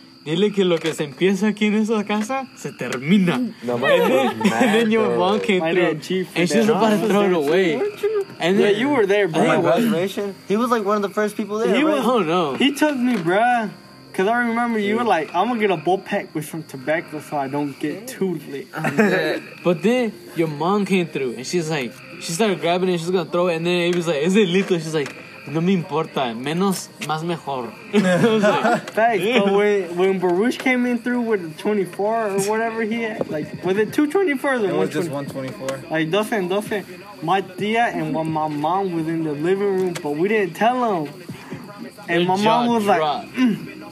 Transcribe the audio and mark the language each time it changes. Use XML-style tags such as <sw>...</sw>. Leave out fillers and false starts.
<es>Dile que lo que se empieza aquí en esa casa se termina.</es> <en>No, and then your mom came my through, and she was about to throw it away. And then, yeah, you were there, bro. My graduation? He was like one of the first people there. He took me, bro. Cause I remember you were like, I'm gonna get a bull pack with some tobacco so I don't get too lit. But then your mom came through, and she's like, she started grabbing it, she's gonna throw it, and then he was like, "Is it lito?" She's like,</en> <es>no me importa, menos, más mejor.</es> <en>Thanks. But when Baruch came in through with the 24 or whatever he had, like, was it 224 or 124? It was just 124. Like, doce. My tia and my mom was in the living room, but we didn't tell them. And your my mom was dropped. Like,</en>